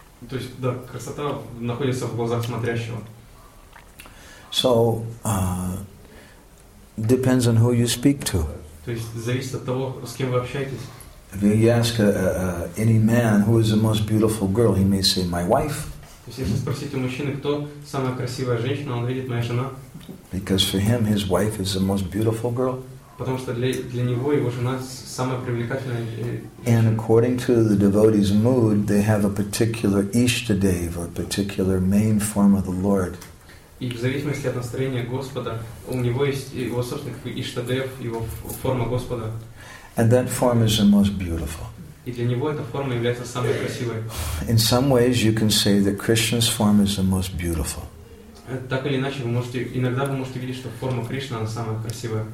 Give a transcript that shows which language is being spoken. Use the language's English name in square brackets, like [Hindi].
[Russian] То есть, да, красота находится в глазах смотрящего. [English] So, depends on who you speak to. [Russian] То есть, зависит от того, с кем вы общаетесь. [English] If you ask any man who is the most beautiful girl, he may say, my wife. [Russian] То есть, если спросить у мужчины, кто самая красивая женщина, он видит, моя жена. [English] Because for him, his wife is the most beautiful girl. [Russian] Потому что для него его жена самая привлекательная женщина. [English] And according to the devotee's mood, they have a particular Ishtadev, a particular main form of the Lord. [Russian] И в зависимости от настроения Господа, у него есть его собственный Ishtadev, его форма Господа. [English] And that form is the most beautiful. [Russian] И для него эта форма является самой красивой. [English] In some ways, you can say that Krishna's form is the most beautiful. [Russian] Так или иначе, вы можете видеть, что форма Кришны она самая красивая.